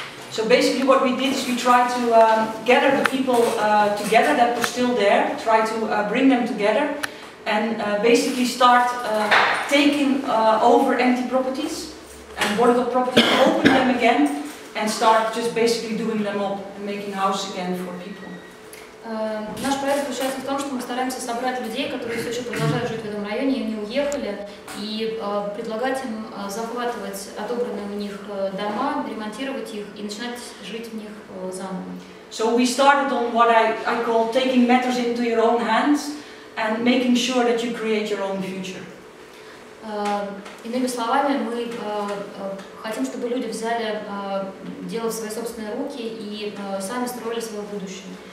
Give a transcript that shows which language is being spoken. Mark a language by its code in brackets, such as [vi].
[en] So basically what we did is we tried to gather the people together that were still there, try to bring them together, and basically start taking over empty properties and boarded up properties, open them again, and start just basically doing them up and making house again for people. [ru] Наш проект заключается в том, что мы стараемся собрать людей, которые все еще продолжают жить в этом районе, и они уехали, и предлагать им захватывать отобранные у них дома, ремонтировать их и начинать жить в них заново. [en] So we started on what I call taking matters into your own hands and making sure that you create your own future. [ru] Иными словами, мы хотим, чтобы люди взяли дело в свои собственные руки и сами строили свое будущее.